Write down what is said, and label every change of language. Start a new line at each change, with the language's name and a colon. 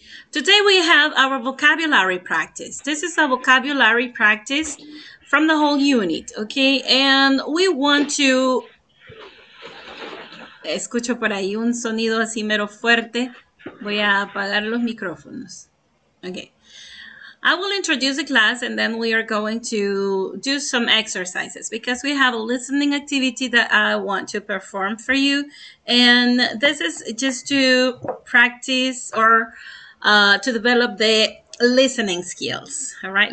English: Today we have our vocabulary practice. This is a vocabulary practice from the whole unit, okay? And we want to...
Spanish: Escucho por ahí un sonido así mero fuerte. Voy a apagar los micrófonos. Okay.
English: I will introduce the class and then we are going to do some exercises because we have a listening activity that I want to perform for you. And this is just to practice or to develop the listening skills, all right?